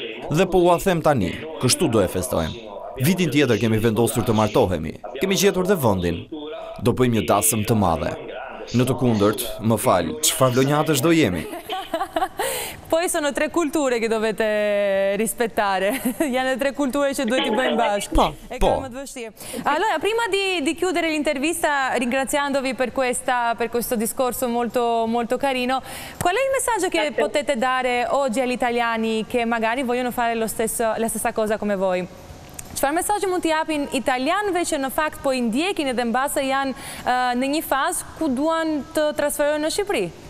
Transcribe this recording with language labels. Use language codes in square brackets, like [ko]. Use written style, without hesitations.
[sq] Dhe po u them tani, kështu do e festojmë. Vitin tjetër kemi vendosur të martohemi, kemi gjetur dhe vendin. Do bëjmë një dasmë të madhe. Në të kundërt, më fal, çfarë lonjatësh do jemi? [it] Poi sono tre culture che dovete rispettare. [sq] Janë [it] le tre culture [sq] që duhet i bëjmë bashkë. Po, po. [it] Allora, prima di chiudere l'intervista, ringraziandovi per questo discorso molto, molto carino, qual è il messaggio che potete dare oggi agli italiani che magari vogliono fare la stessa cosa come voi? [sq] Çfarë mesazhi mund t'i japin italianëve që në fakt po i ndjekin edhe mbase janë në një fazë ku duan të transferojnë në Shqipëri?